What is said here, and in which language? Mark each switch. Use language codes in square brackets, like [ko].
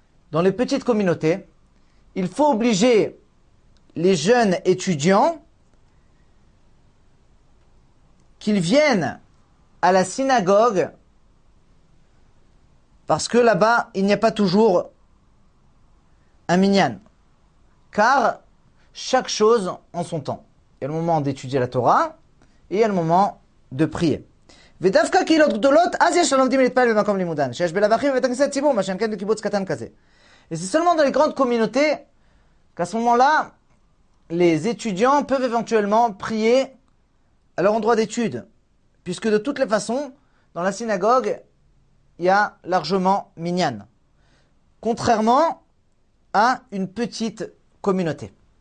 [fr] Dans les petites communautés, il faut obliger les jeunes étudiants qu'ils viennent à la synagogue parce que là-bas, il n'y a pas toujours un minyan. Car chaque chose en son temps. Il y a le moment d'étudier la Torah et il y a le moment de prier. [he] ודווקא קהילות גדולות, אז יש הלומדים להתפלל במקום לימודן, שיש בלבחים ובית הכנסת ציבור, מה שאין כן בקיבוץ קטן כזה. [fr] Et c'est seulement dans les grandes communautés qu'à ce moment-là, les étudiants peuvent éventuellement prier à leur endroit d'étude. Puisque de toutes les façons, dans la synagogue, il y a largement minyan. Contrairement à une petite communauté.